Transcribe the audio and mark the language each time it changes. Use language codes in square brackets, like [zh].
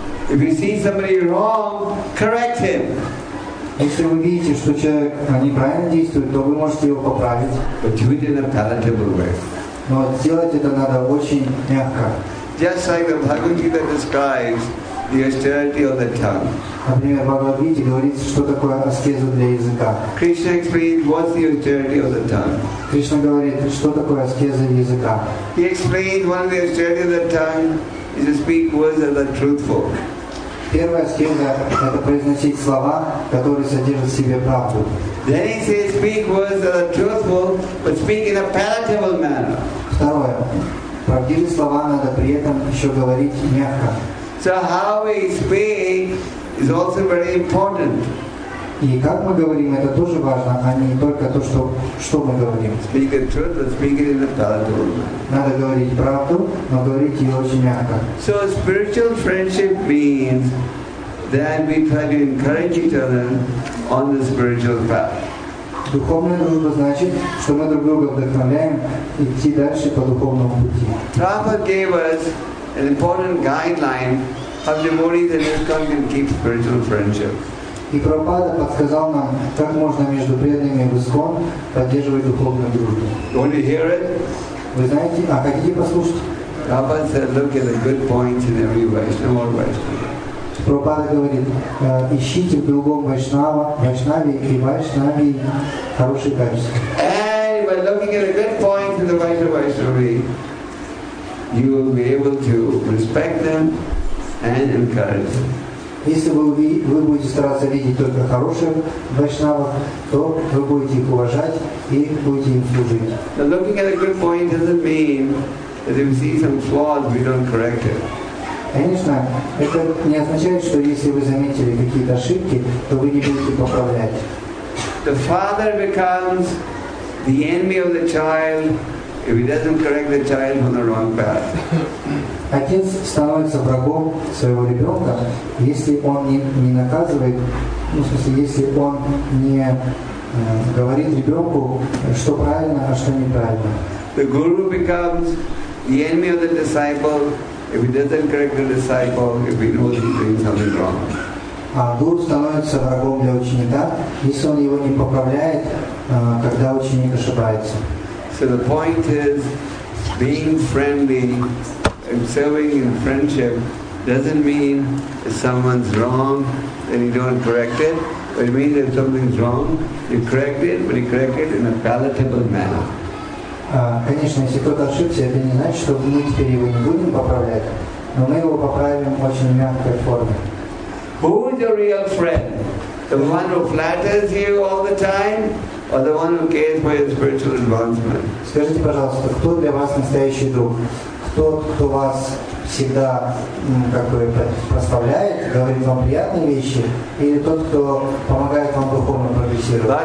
[en] If you see somebody wrong, correct him. [ru] Если вы видите, что человек неправильно действует, то вы можете его поправить. [en] But do it in a palatable way. [ru] Но сделать это надо очень мягко. [en] Just like the Bhagavad Gita describes the austerity of the tongue. [ru] Например, Бхагавад Гите говорится, что такое аскеза для языка. [en] Krishna explains what's the austerity of the tongue. [ru] Кришна говорит, что такое аскеза языка. [en] He explains one of the austerity of the tongue is to speak words that are truthful. [ru] Первая аскеза – это произносить слова, которые содержат в себе правду. [en] Then he says, speak words that are truthful, but speak in a palatable manner. [ru] Второе. Правдивые слова надо при этом еще говорить мягко. [en] So how we speak is also very important. [ru] И как мы говорим, это тоже важно, а не только то, что мы говорим. [en] Speak the truth, but speak it in a palatable manner. [ru] Надо говорить правду, но говорить ее очень мягко. [en] So spiritual friendship means that we try to encourage each other on the spiritual path. [ru] Духовная дружба значит, что мы друг друга вдохновляем идти дальше по духовному пути. [en] Prabhupada gave us an important guideline of devotees that just come and keep spiritual friendship. [ru] И Прабхупада подсказал нам, как можно между преданными в ИСККОН поддерживать духовную дружбу. [en] Want to hear it? [ru] Вы знаете, а хотите послушать? [en] Prabhupada said, look at the good points in every Vaishnava. [ru] Прабхупада говорит, ищите в другом Вайшнаве и Вайшнаве хорошие качества. [en] And by looking at the good points in the Vaishnava, you will be able to respect them and encourage them. [ru] Если вы будете стараться видеть только хорошие вайшнавы, то вы будете их уважать и будете им служить. [en] Now, looking at a good point doesn't mean that if we see some flaws, we don't correct it. [ru] Конечно, это не означает, что если вы заметили какие-то ошибки, то вы не будете поправлять. [en] The father becomes the enemy of the child if he doesn't correct the child on the wrong path. [ru] Отец становится врагом своего ребенка, если он не наказывает, ну, в смысле, если он не говорит ребенку, что правильно, а что неправильно. [en] The guru becomes the enemy of the disciple if he doesn't correct the disciple if he knows he's doing something wrong. [ru] А гуру становится врагом для ученика, если он его не поправляет, когда ученик ошибается. [en] So the point is being friendly. Observing in friendship doesn't mean if someone's wrong and you don't correct it, but it means if something's wrong, you correct it, but you correct it in a palatable manner. [ru] Конечно, если кто-то ошибся, это не значит, что мы теперь его не будем поправлять, но мы его поправим в очень мягкой форме. [en] Who is your real friend? The one who flatters you all the time? Or the one who cares for your spiritual advancement? [ru] Скажите, пожалуйста, кто для вас настоящий друг? Тот, кто вас всегда как бы прославляет, говорит вам приятные вещи, или тот, кто помогает вам духовно прогрессировать?